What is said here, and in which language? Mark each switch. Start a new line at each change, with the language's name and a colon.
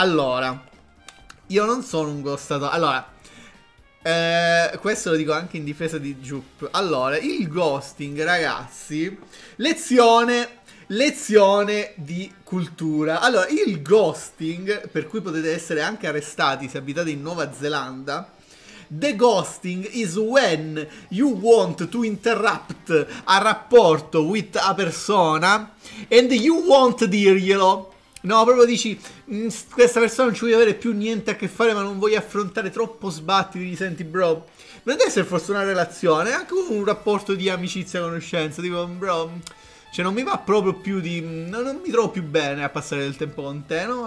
Italian: Allora, io non sono un ghostatore. Allora, questo lo dico anche in difesa di Jup. Allora, il ghosting, ragazzi, lezione di cultura. Allora, il ghosting, per cui potete essere anche arrestati se abitate in Nuova Zelanda.
English: The ghosting is when you want to interrupt a rapporto with a persona and you won't dirglielo.
Italian: No, proprio dici, questa persona non ci vuole avere più niente a che fare, ma non voglio affrontare troppo sbatti, ti senti bro. Non deve essere forse una relazione, è anche un rapporto di amicizia, conoscenza, tipo bro, cioè non mi va proprio più di, non mi trovo più bene a passare del tempo con te, no?